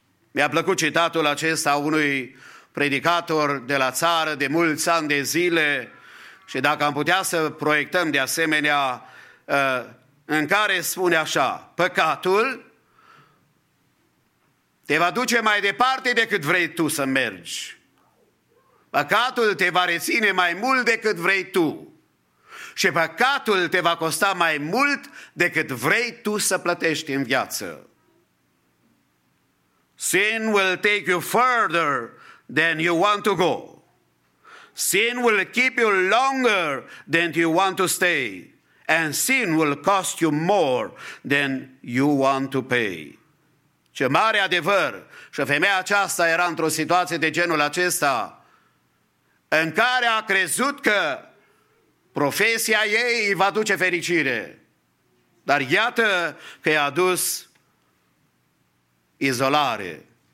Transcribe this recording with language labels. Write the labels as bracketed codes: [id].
[ro] Mi-a plăcut citatul acesta unui predicator de la țară de mulți ani de zile și dacă am putea să proiectăm de asemenea, în care spune așa: păcatul te va duce mai departe decât vrei tu să mergi. Păcatul te va reține mai mult decât vrei tu. Și păcatul te va costa mai mult decât vrei tu să plătești în viață. [en] Sin will take you further than you want to go. Sin will keep you longer than you want to stay. And sin will cost you more than you want to pay. [ro] Ce mare adevăr! Și femeia aceasta era într-o situație de genul acesta, în care a crezut că profesia ei îi va duce fericire. Dar iată că i-a dus izolare.